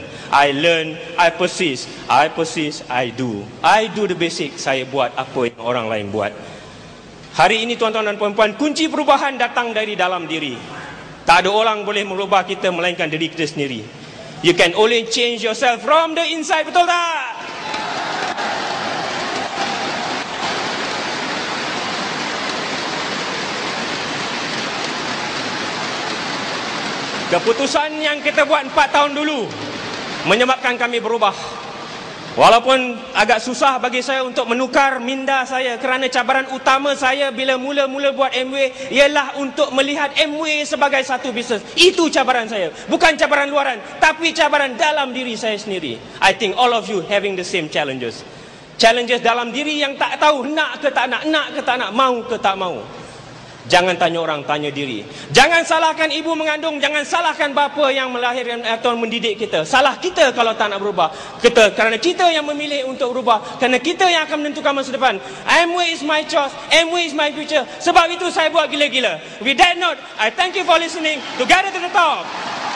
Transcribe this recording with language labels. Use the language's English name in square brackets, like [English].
[English] I learn, I persist, I do the basic. [Malay] Saya buat apa yang orang lain buat. Hari ini tuan-tuan dan puan-puan, kunci perubahan datang dari dalam diri. Tak ada orang boleh merubah kita melainkan diri kita sendiri. [English] You can only change yourself from the inside, [Malay] betul tak? Keputusan yang kita buat 4 tahun dulu menyebabkan kami berubah. Walaupun agak susah bagi saya untuk menukar minda saya, kerana cabaran utama saya bila mula-mula buat Amway ialah untuk melihat Amway sebagai satu bisnes. Itu cabaran saya. Bukan cabaran luaran, tapi cabaran dalam diri saya sendiri. [English] I think all of you having the same challenges. [Malay] Challenges dalam diri yang tak tahu nak ke tak nak, nak ke tak nak, mau ke tak mau. Jangan tanya orang, tanya diri. Jangan salahkan ibu mengandung, jangan salahkan bapa yang melahirkan atau mendidik kita. Salah kita kalau tak nak berubah. Kita, kerana kita yang memilih untuk berubah, kerana kita yang akan menentukan masa depan. [English] Amway is my choice, Amway is my future. [Malay] Sebab itu saya buat gila-gila. [English] With that note, I thank you for listening. Together to the top.